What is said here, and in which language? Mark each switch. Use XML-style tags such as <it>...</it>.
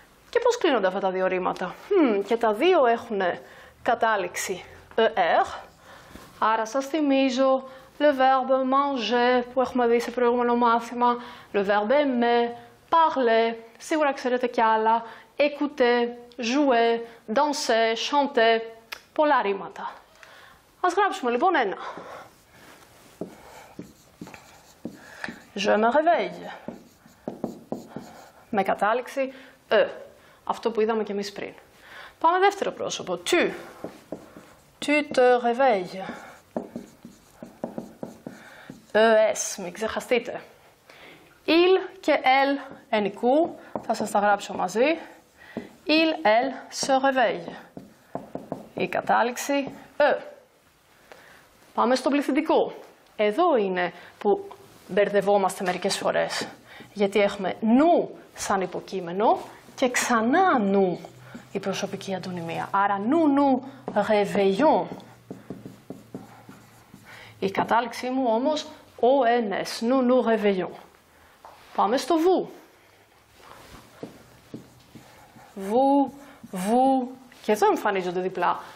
<el>Και πώς κλείνονται αυτά τα δύο ρήματα? Και τα δύο έχουν κατάληξη «er», άρα σας θυμίζω</el> <fr>«le verbe manger»</fr> <el>που έχουμε δει σε προηγούμενο μάθημα,</el> <fr>«le verbe aimer»,</fr> <el>«parler», σίγουρα ξέρετε κι άλλα, «écouter», «jouer», «danser», «chanter», πολλά ρήματα. Ας γράψουμε λοιπόν ένα.</el> <fr>«Je me réveille»,</fr> <el>με κατάληξη «e», αυτό που είδαμε κι εμείς πριν. Πάμε δεύτερο πρόσωπο, «tu»,</el> <fr>«tu te réveilles».</fr> <el>ΕΣ, μην ξεχαστείτε. Il και elle ενικού, θα σας τα γράψω μαζί.</el> <fr>Il, elle, se réveille.</fr> <el>Η κατάληξη «ε». Πάμε στο πληθυντικό. Εδώ είναι που μπερδευόμαστε μερικές φορές. Γιατί έχουμε «nous» σαν υποκείμενο και ξανά «nous» η προσωπική αντωνυμία.</el> <fr>Άρα «nous, nous, réveillons».</fr> <el>Η κατάληξή μου όμως «ONS»,</el> <fr>«nous nous réveillons».</fr> <el>Πάμε στο «vous». «Vous», «vous», και εδώ εμφανίζονται διπλά.</el>